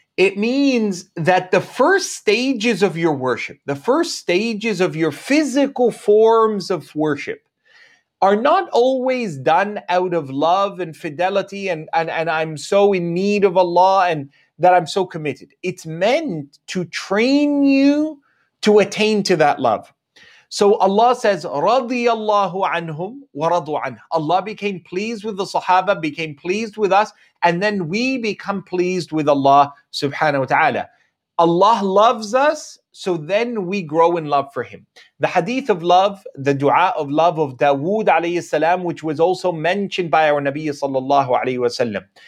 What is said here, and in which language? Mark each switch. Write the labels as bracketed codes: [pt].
[en] It means that the first stages of your worship, the first stages of your physical forms of worship, are not always done out of love and fidelity and I'm so in need of Allah and that I'm so committed. It's meant to train you to attain to that love. So Allah says, [ar] رَضِيَ اللَّهُ عَنْهُمْ وَرَضُوا عَنْهُ. [en] Allah became pleased with the Sahaba, became pleased with us, and then we become pleased with Allah subhanahu wa ta'ala. Allah loves us, so then we grow in love for Him. The hadith of love, the dua of love of Dawood alayhi salam, which was also mentioned by our Nabi sallallahu alayhi wasallam.